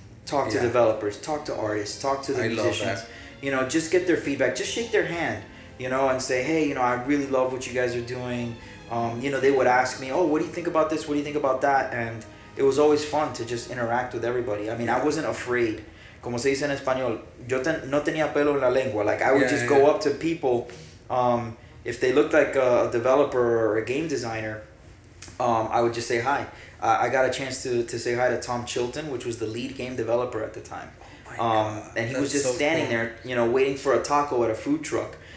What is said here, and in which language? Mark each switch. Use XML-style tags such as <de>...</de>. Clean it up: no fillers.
<en>Talk to developers. Talk to artists. Talk to the musicians. You know, just get their feedback. Just shake their hand. You know, and say, hey, you know, I really love what you guys are doing. You know, they would ask me, oh, what do you think about this? What do you think about that? And it was always fun to just interact with everybody. I mean, I wasn't afraid.</en> <es>Como se dice en español, yo no tenía pelo en la lengua.</es> <en>Like, I would go up to people. If they looked like a developer or a game designer, I would just say hi. I got a chance to say hi to Tom Chilton, which was the lead game developer at the time. Oh my God. And he was just standing there, you know, waiting for a taco at a food truck.</en>